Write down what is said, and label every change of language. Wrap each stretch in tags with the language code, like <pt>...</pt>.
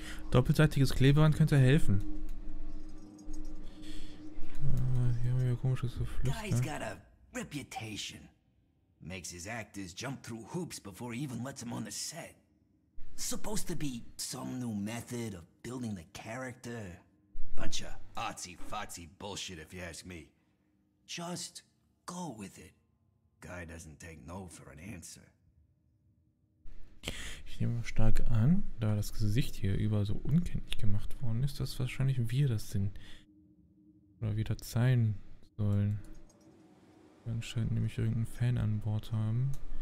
<de>Doppelseitiges Klebeband könnte helfen. Hier haben wir ein komisches Geflüster.</de> <en>Guy's got a reputation. Makes his actors jump through hoops before he even lets him on the set. Supposed to be some new method of building the character. Bunch of artsy-fartsy bullshit, if you ask me. Just go with it. Guy doesn't take no for an answer.</en> <de>Ich nehme stark an, da das Gesicht hier überall so unkenntlich gemacht worden ist, dass wahrscheinlich wir das sind. Oder wir das sein sollen. Wir anscheinend nämlich irgendeinen Fan an Bord haben.</de>